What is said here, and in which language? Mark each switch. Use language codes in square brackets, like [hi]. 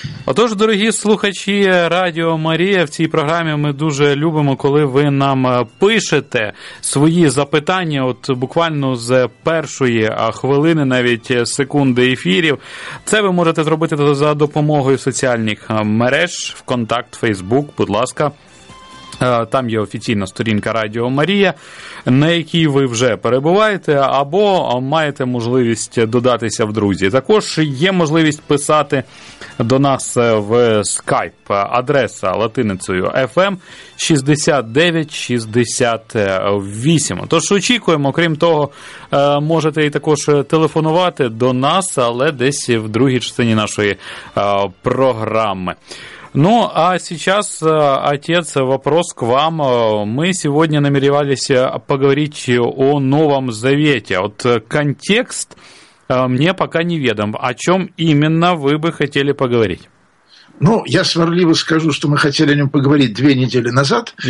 [uk] Отож, дорогі слухачі Радіо Марія, в цій програмі ми дуже любимо, коли ви нам пишете свої запитання, от буквально з першої хвилини, навіть секунди ефірів. Це ви можете зробити за допомогою соціальних мереж, ВКонтакт, Фейсбук, будь ласка. Там є офіційна сторінка Радіо Марія, на якій ви вже перебуваєте, або маєте можливість додатися в друзі. Також є можливість писати до нас в Skype. Адреса латиницею FM 69 68. Тож очікуємо, крім того, можете і також телефонувати до нас, але десь в другій частині нашої програми. [ru] Ну, а сейчас, отец, вопрос к вам. Мы сегодня намеревались поговорить о Новом Завете. Вот контекст мне пока неведом. О чем именно вы бы хотели поговорить? Ну, я сварливо скажу, что мы хотели о нем поговорить 2 недели назад.